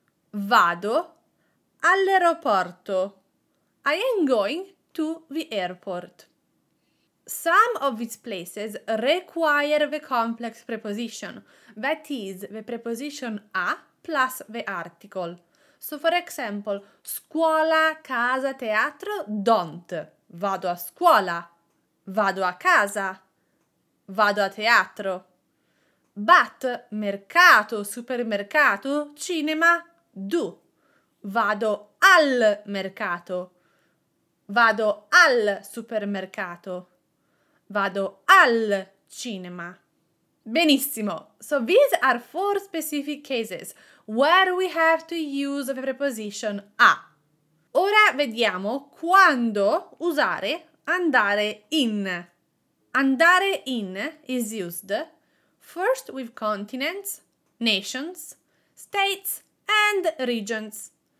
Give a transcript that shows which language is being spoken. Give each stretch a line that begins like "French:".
Italian: Vado all'aeroporto,
English: I am going to the airport. Some of these places require the complex preposition, that is the preposition a plus the article. So for example, scuola, casa, teatro, don't.
Italian: Vado a scuola, vado a casa, vado a teatro.
English: But mercato, supermercato, cinema, do.
Italian: Vado al mercato, vado al supermercato, vado al cinema. Benissimo.
English: So these are four specific cases where we have to use the preposition a.
Italian: Ora vediamo quando usare andare in.
English: Andare in is used first with continents, nations, states and regions.